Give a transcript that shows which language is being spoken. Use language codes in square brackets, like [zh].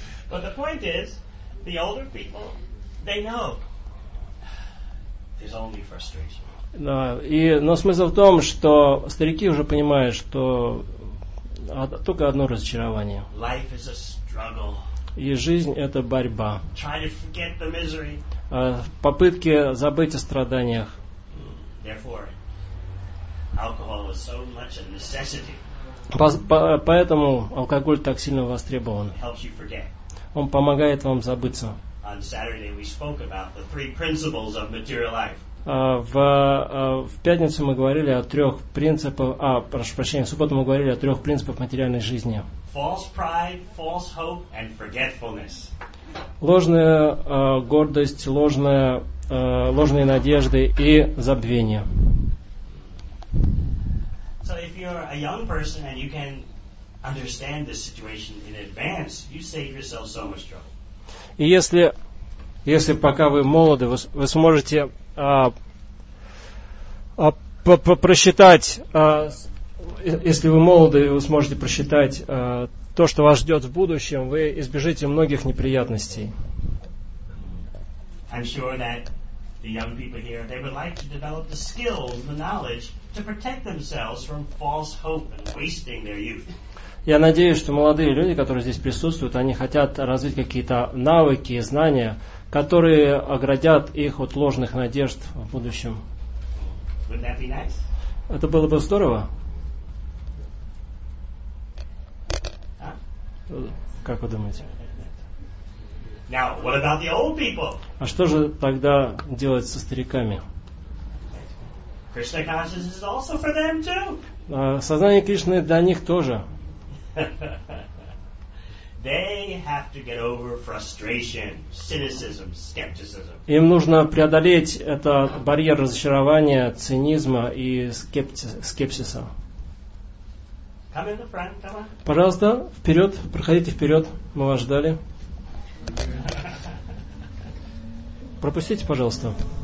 [en] But the point is, the older people, they know there's only frustration. [ru] Да, но смысл в том, что старики уже понимают, что только одно разочарование. [en] Life is a struggle. [ru] И жизнь это борьба. [en] Try to forget the misery. [ru] Попытки забыть о страданиях. [en] Therefore, alcohol is so much a necessity. [ru] Поэтому алкоголь так сильно востребован. [en] Helps you forget. [ru] Он помогает вам забыться. [en] On Saturday we spoke about the three principles of material life. [ru] В пятницу мы говорили о трех принципах. В субботу мы говорили о трех принципах материальной жизни. [en] False pride, false hope, and forgetfulness. [ru] Ложная гордость, ложные надежды и забвение. [en] So if you're a young person and you can understand this situation in advance, you save yourself so much trouble. [ru] И если пока вы молоды, вы сможете просчитать, если вы молоды, вы сможете просчитать то, что вас ждет в будущем, вы избежите многих неприятностей. [en] I'm sure that the young people here, they would like to develop the skills, the knowledge to protect themselves from false hope and wasting their youth. [ru] Я надеюсь, что молодые люди, которые здесь присутствуют, они хотят развить какие-то навыки и знания, которые оградят их от ложных надежд в будущем. [en] Wouldn't that be nice? [ru] Это было бы здорово. Huh? Как вы думаете? [en] Now, what about the old people? [ru] А что же тогда делать со стариками? [en] Krishna consciousness is also for them too. [ru] Сознание Кришны для них тоже. [en] They have to get over frustration, cynicism, skepticism. [ru] Им нужно преодолеть этот барьер разочарования, цинизма и скепсиса. [en] Come in the front, come on. [ru] Пожалуйста, вперед, проходите вперед, мы вас ждали. Пропустите, пожалуйста.